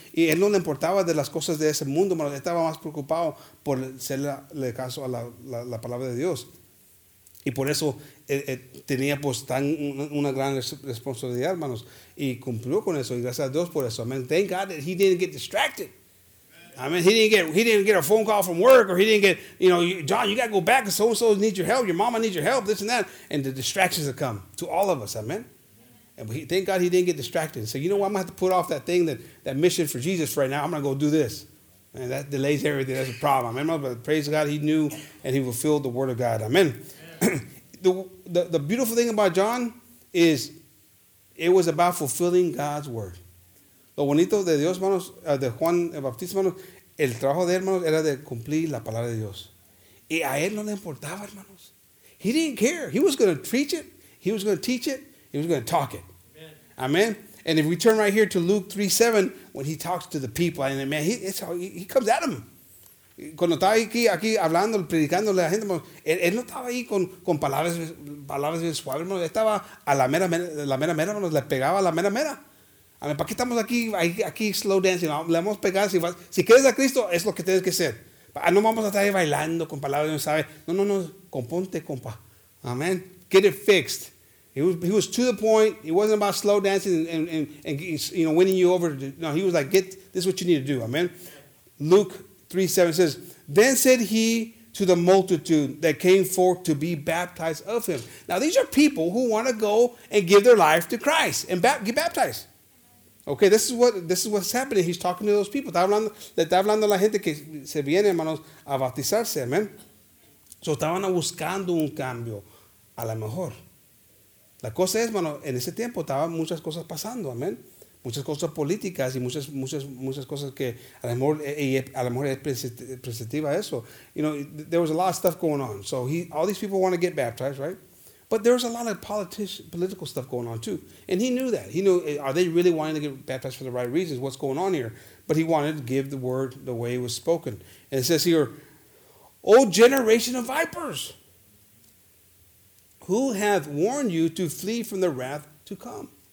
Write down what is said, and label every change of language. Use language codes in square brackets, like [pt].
[es] Y él no le importaba de las cosas de ese mundo, hermanos. Estaba más preocupado por hacerle caso a la palabra de Dios. Y por eso tenía pues tan una gran responsabilidad, hermanos. Y cumplió con eso. Y gracias a Dios por eso. [en] Amen. Thank God that he didn't get distracted. Amen. He didn't get a phone call from work, or he didn't get, John, you got to go back because so-and-so needs your help. Your mama needs your help, this and that. And the distractions have come to all of us. Amen. And thank God he didn't get distracted. So, you know what? I'm going to have to put off that thing, that mission for Jesus for right now. I'm going to go do this. And that delays everything. That's a problem. Amen. But praise God, he knew and he fulfilled the word of God. Amen. The beautiful thing about John is it was about fulfilling God's word. [es] Lo bonito de Dios, hermanos, de Juan el Bautista, hermanos, el trabajo de él, hermanos, era de cumplir la palabra de Dios. Y a él no le importaba, hermanos. [en] He didn't care. He was going to preach it. He was going to teach it. He was going to talk it. Amen. And if we turn right here to Luke 3:7, when he talks to the people, and man, he comes at them. [es] Cuando estaba aquí hablando, predicando a la gente, él no estaba ahí con palabras bien suaves, hermanos. Estaba a la mera, hermanos. Le pegaba a la mera. A ver, ¿para qué estamos aquí [en] slow dancing? [es] Le vamos a pegar. Si quieres a Cristo, es lo que tienes que hacer. No vamos a estar ahí bailando con palabras de Dios, ¿sabe? No. Componte, compa. Amen. [en] Get it fixed. He was to the point. It wasn't about slow dancing and winning you over. No, he was like, get this is what you need to do. Amen. Luke 3:7 says, then said he to the multitude that came forth to be baptized of him. Now, these are people who want to go and give their life to Christ and get baptized. Okay, this is what's happening. He's talking to those people. [es] Está hablando a la gente que se viene, hermanos, a bautizarse. Amen. So estaban buscando un cambio, a lo mejor. La cosa es, hermano, en ese tiempo estaban muchas cosas pasando. Amen. Muchas cosas políticas y muchas cosas que a lo mejor es perspectiva eso. [en] There was a lot of stuff going on. So all these people want to get baptized, right? But there was a lot of political stuff going on too. And he knew that. He knew, are they really wanting to get baptized for the right reasons? What's going on here? But he wanted to give the word the way it was spoken. And it says here, O generation of vipers, who hath warned you to flee from the wrath to come?